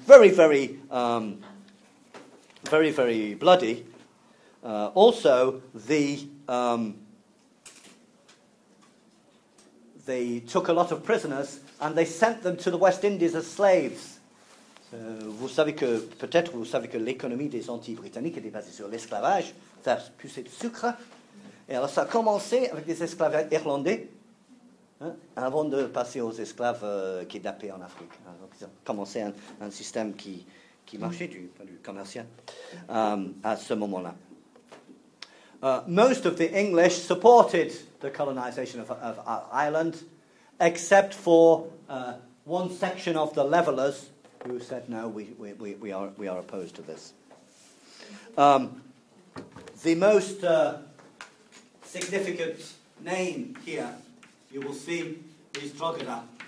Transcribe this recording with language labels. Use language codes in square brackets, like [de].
[en] Very, very, very, very bloody. Also, they took a lot of prisoners and they sent them to the West Indies as slaves. [fr] Vous savez que, peut-être vous savez que l'économie des Antilles britanniques était basée sur l'esclavage, faire pousser du sucre. Et alors ça a commencé avec des esclaves irlandais, hein, avant de passer aux esclaves kidnappés en Afrique. Alors, ils ont commencé un système qui marchait du commercial à ce moment-là. [en] Most of the English supported the colonization of Ireland, except for one section of the levellers who said, no, we are opposed to this. The most significant name here you will see is Drogheda.